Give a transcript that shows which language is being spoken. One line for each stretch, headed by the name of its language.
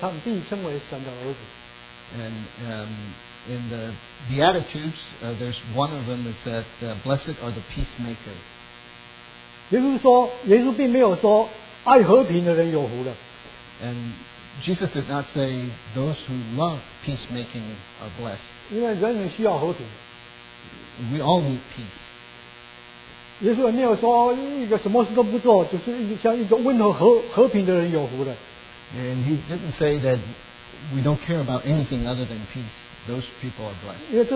Chinese: 我们熟悉的在马大福音第五章里头的那个八虎，其中有一虎是使人和睦人有福的，因为他们必称为神的儿子。
English: And in the Beatitudes, there's one of them is that blessed are the peacemakers.
Chinese: 耶稣并没有说爱和平的人有福了。
English: And Jesus did not say those who love peacemaking are blessed.
Chinese: 因为人人需要和平。
English: We all need peace.
Chinese: 耶稣也没有说一个什么事都不做，只是像一个温和和平的人有福了。
English: And he didn't say that we don't care about anything other than peace. Those people are blessed.